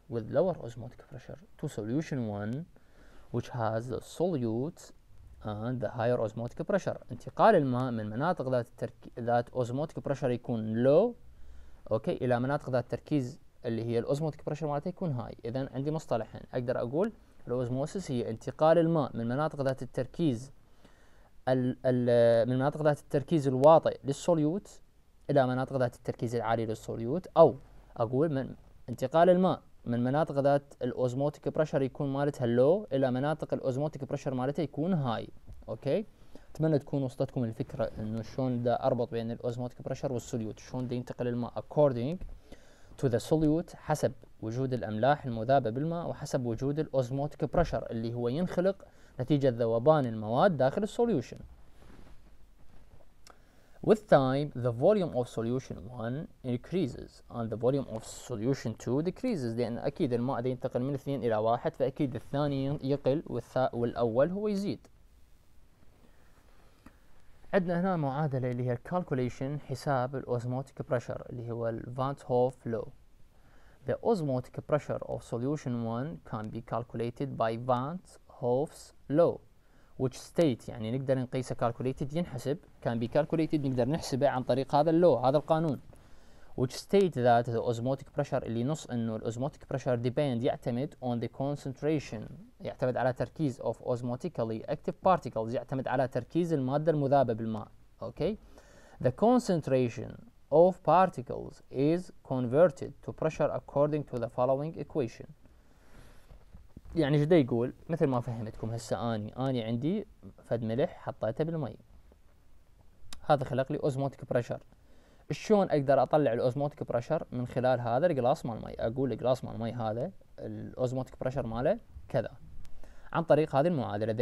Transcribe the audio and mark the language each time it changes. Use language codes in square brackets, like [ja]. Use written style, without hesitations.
[en] With lower osmotic pressure to solution 1 which has the solute and the higher osmotic pressure. [ar] انتقال الماء من مناطق ذات ذات اوزموتيك بريشر يكون لو اوكي الى مناطق ذات تركيز اللي هي الاوزموتيك بريشر مالتها يكون هاي. اذا عندي مصطلحين اقدر اقول الاوزموسيس هي انتقال الماء من مناطق ذات التركيز من مناطق ذات التركيز الواطئ للسوليوت الى مناطق ذات التركيز العالي للسوليوت، او اقول من انتقال الماء من مناطق ذات الاوزموتيك بريشر يكون مالتها لو الى مناطق الاوزموتيك بريشر مالتها يكون هاي. اوكي، اتمنى تكون وصلتكم الفكره انه شلون دا اربط بين الاوزموتيك بريشر والسوليوت، شلون دا ينتقل الماء [en] according to the solute [ar] حسب وجود الاملاح المذابه بالماء وحسب وجود الاوزموتيك بريشر اللي هو ينخلق نتيجه ذوبان المواد داخل السوليوشن. [en] With time, the volume of solution 1 increases and the volume of solution 2 decreases. [ar] لأن أكيد الماء ده ينتقل من 2 إلى 1 فأكيد الثاني يقل والأول هو يزيد. عندنا هنا معادلة اللي هي calculation حساب الأوزموتيك بريشر اللي هو Van 't Hoff law. [en] The osmotic pressure of solution 1 can be calculated by Van 't Hoff's law. Which state [ar] يعني نقدر نقيسه [en] calculated [ar] ينحسب [en] can be calculated [ar] نقدر نحسبه عن طريق هذا اللو هذا القانون. [en] Which state that the osmotic pressure [ar] اللي نص انه الاوزموتيك بريشر [en] depend [ar] يعتمد [en] on the concentration [ar] يعتمد على تركيز [en] of osmotically active particles [ar] يعتمد على تركيز المادة المذابة بالماء. [en] Okay, the concentration of particles is converted to pressure according to the following equation. [ar] يعني جدا يقول مثل ما فهمتكم هسه اني عندي فد ملح حطيته بالمي هذا خلق لي اوزموتيك بريشر. شلون اقدر اطلع الاوزموتيك بريشر من خلال هذا الجلاس مال مي؟ اقول الجلاس مال مي هذا الاوزموتيك بريشر ماله كذا عن طريق هذه المعادله.